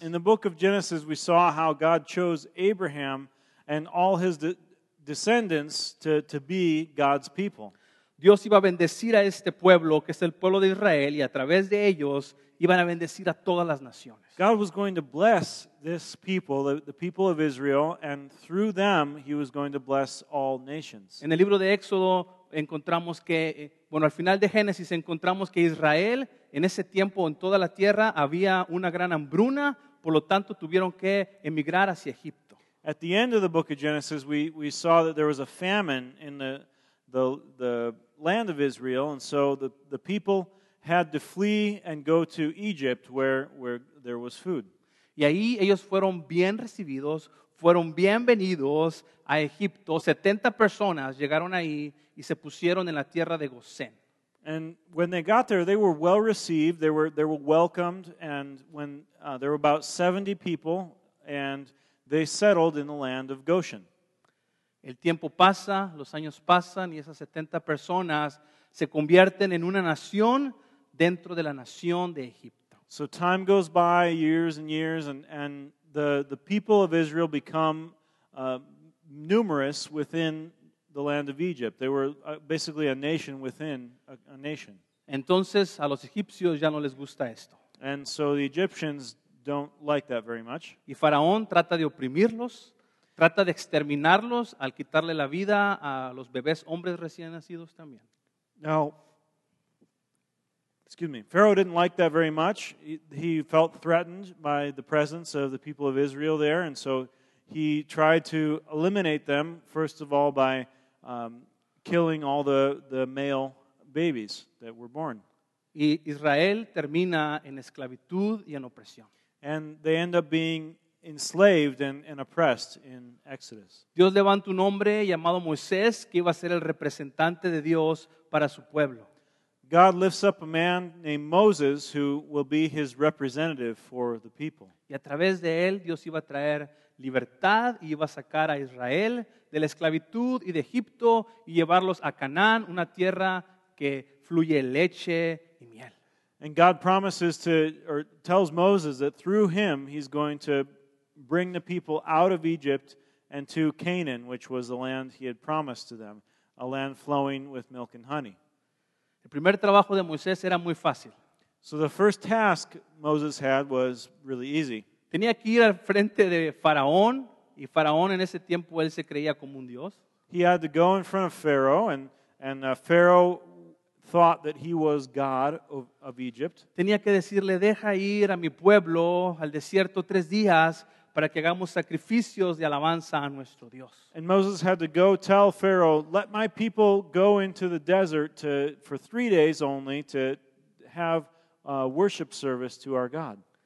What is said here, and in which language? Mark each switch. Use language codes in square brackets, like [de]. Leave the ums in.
[en] In the book of Genesis we saw how God chose Abraham and all his de- descendants to, to be God's people. [es] Dios iba a bendecir a este pueblo, que es el pueblo de Israel, y a través de ellos iban a bendecir a todas las naciones. [en] God was going to bless this people, the, the people of Israel, and through them he was going to bless all nations. [es] En el libro de Éxodo encontramos que, bueno, al final de Génesis encontramos que Israel en ese tiempo en toda la tierra había una gran hambruna, por lo tanto tuvieron que emigrar hacia Egipto. [en] At the end of the book of Genesis, we, we saw that there was a famine in the, the, the land of Israel, and so the, the people had to flee and go to Egypt where, where there was food. [es] Y ahí ellos fueron bien recibidos, fueron bienvenidos a Egipto. 70 personas llegaron ahí y se pusieron en la tierra de Gosén. [en] And when they got there, they were well received. They were, they were welcomed. And when, uh, there were about 70 people, and they settled in the land of Goshen. [es] El tiempo pasa, los años pasan, y esas setenta personas se convierten en una nación dentro de la nación de Egipto. [en] So time goes by, years and years, and, and the, the people of Israel become uh, numerous within the land of Egypt. They were basically a nation within a, a, nation. [es] Entonces, a los egipcios ya no les gusta esto. [en] And so the Egyptians don't like that very much. [es] Y Faraón trata de oprimirlos, trata de exterminarlos al quitarle la vida a los bebés hombres recién nacidos también. [en] Now, excuse me, Pharaoh didn't like that very much. he, he felt threatened by the presence of the people of Israel there, and so he tried to eliminate them, first of all, by... Um, killing all the, the male babies that were born. [es] Y Israel termina en esclavitud y en opresión. [en] And they end up being enslaved and, and, oppressed in Exodus. [es] Dios levanta un hombre llamado Moisés que iba a ser el representante de Dios para su pueblo. [en] God lifts up a man named Moses who will be his representative for the people. [es] Y a través de él Dios iba a traer libertad iba a sacar a Israel de la esclavitud y de Egipto y llevarlos a Canaán, una tierra que fluye leche y miel. [en] And God promises to, or tells Moses that through him he's going to bring the people out of Egypt and to Canaan, which was the land he had promised to them, a land flowing with milk and honey. [es] El primer trabajo de Moisés era muy fácil. [en] So the first task Moses had was really easy [es] tenía que ir al frente de Faraón y Faraón en ese tiempo él se creía como un dios. [en] He had to go in front of Pharaoh and and Pharaoh thought that he was God of, of, Egypt. [es] Tenía que decirle deja ir a mi pueblo al desierto tres días para que hagamos sacrificios de alabanza a nuestro Dios. [en] And Moses had to go tell Pharaoh, let my people go into the desert to, for three days only to have a worship service to our God.